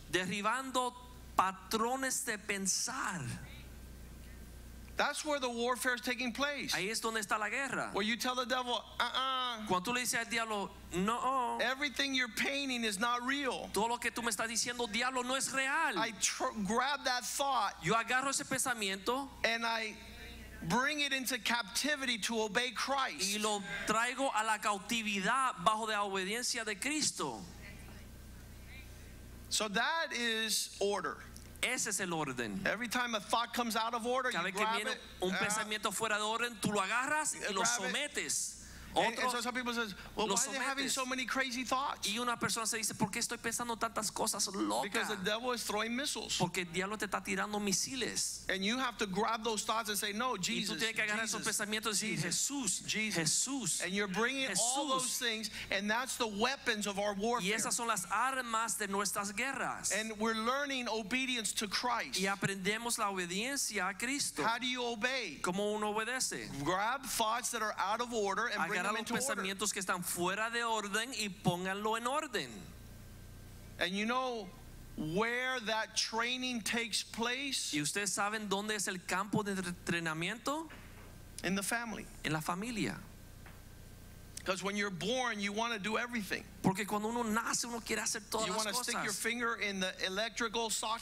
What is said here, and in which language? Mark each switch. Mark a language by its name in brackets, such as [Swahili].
[Spanish] Derribando patrones de pensar. [English] That's where the warfare is taking place. [Spanish] Ahí es donde está la guerra. [English] Where you tell the devil, uh-uh. [Spanish] Cuando tú le dices al diablo, no. [English] Everything you're painting is not real. [Spanish] Todo lo que tú me estás diciendo, diablo, no es real. [English] I grab that thought. [Spanish] Yo agarro ese pensamiento. [English] And I bring it into captivity to obey Christ. [Spanish] Y lo traigo a la cautividad bajo la obediencia de Cristo. [English] So that is order. [Spanish] Ese es el orden. [English] Every time a thought comes out of order, [Spanish] cada [English] you grab [Spanish] viene [English] it. [Spanish] Un pensamiento fuera de orden, tú lo agarras y lo sometes. [English] And so some people say, well, why are they having so many crazy thoughts? [Spanish] Y una persona se dice, ¿por qué estoy pensando tantas cosas locas? [English] Because the devil is throwing missiles. [Spanish] Porque el diablo te está tirando misiles. [English] And you have to grab those thoughts and say, no, Jesus. [Spanish] Y tú tienes que agarrar esos pensamientos y decir, Jesús, [English] Jesus. [Spanish] Jesús. [English] And you're bringing [Spanish] Jesús. [English] All those things, and that's the weapons of our warfare. [Spanish] Y esas son las armas de nuestras guerras. [English] And we're learning obedience to Christ. [Spanish] Y aprendemos la obediencia a Cristo. [English] How do you obey? [Spanish] ¿Cómo uno obedece? [English] Grab thoughts that are out of order and bring [Spanish] los pensamientos que están fuera de orden y pónganlo en orden. [English] And you know where that training takes place? [Spanish] ¿Y ustedes saben dónde es el campo de entrenamiento? [English] In the family. [Spanish] En la familia. [English] Because when you're born, you want to do everything. [Spanish] Porque cuando uno nace, uno quiere hacer todas las cosas. [English] You want to stick your finger in the electrical sockets.